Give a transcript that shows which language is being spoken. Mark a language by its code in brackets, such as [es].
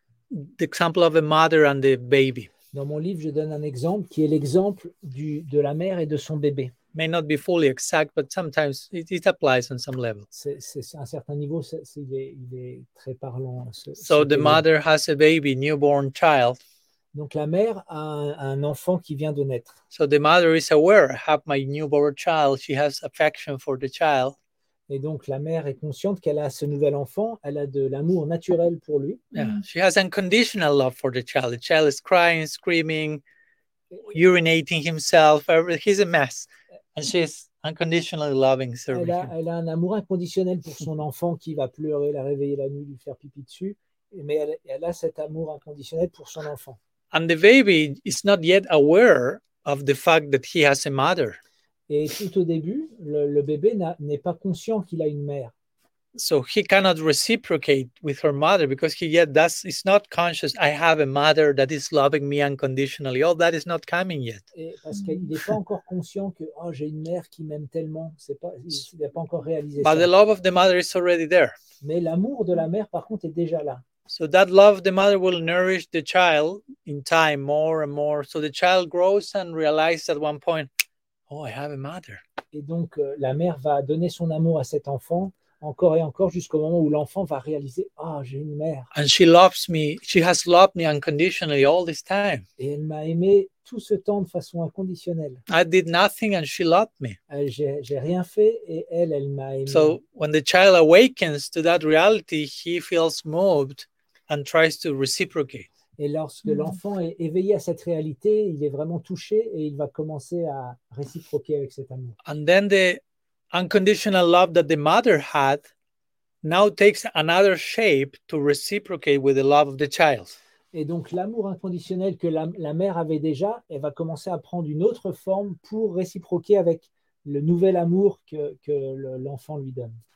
[en] The example of a mother and the baby. [fr] Dans mon livre, je donne un exemple qui est l'exemple de la mère et de son bébé. [en] May not be fully exact, but sometimes it applies on some level. So the mother has a baby, newborn child. [fr] Donc la mère a un enfant qui vient de naître. [en] So the mother is aware, I have my newborn child, she has affection for the child. [fr] Et donc la mère est consciente qu'elle a ce nouvel enfant, elle a de l'amour naturel pour lui. [en] Yeah. She has unconditional love for the child. The child is crying, screaming, urinating himself. He's a mess. And she's unconditionally loving serving [fr] elle a, [en] him. [fr] Elle a un amour inconditionnel pour son enfant qui va pleurer, la réveiller la nuit, lui faire pipi dessus. Mais elle, elle a cet amour inconditionnel pour son enfant. [en] And the baby is not yet aware of the fact that he has a mother. [fr] Et tout au début, le bébé n'est pas conscient qu'il a une mère. [en] So he cannot reciprocate with her mother because he yet does is not conscious. I have a mother that is loving me unconditionally. All that is not coming yet. [fr] Et parce qu'il n'est pas encore conscient que oh, j'ai une mère qui m'aime tellement. C'est pas, il n'a pas encore réalisé. [en] But [fr] ça. [en] The love of the mother is already there. [fr] Mais l'amour de la mère, par contre, est déjà là. [en] So that love, the mother will nourish the child in time more and more. So the child grows and realizes at one point, oh, I have a mother. [fr] Et donc la mère va donner son amour à cet enfant. Encore et encore jusqu'au moment où l'enfant va réaliser « Ah, oh, j'ai une mère !» [en] And she loves me. She has loved me unconditionally all this time. [fr] Et elle m'a aimé tout ce temps de façon inconditionnelle. [en] I did nothing and she loved me. [fr] J'ai rien fait et elle m'a aimé. [en] So when the child awakens to that reality, he feels moved and tries to reciprocate. [fr] Et lorsque l'enfant est éveillé à cette réalité, il est vraiment touché et il va commencer à réciproquer avec cet amour. [en] And then the unconditional love that the mother had now takes another shape to reciprocate with the love of the child. [fr] Et donc l'amour inconditionnel que la mère avait déjà, elle va commencer à prendre une autre forme pour réciproquer avec le nouvel amour que l'enfant lui donne.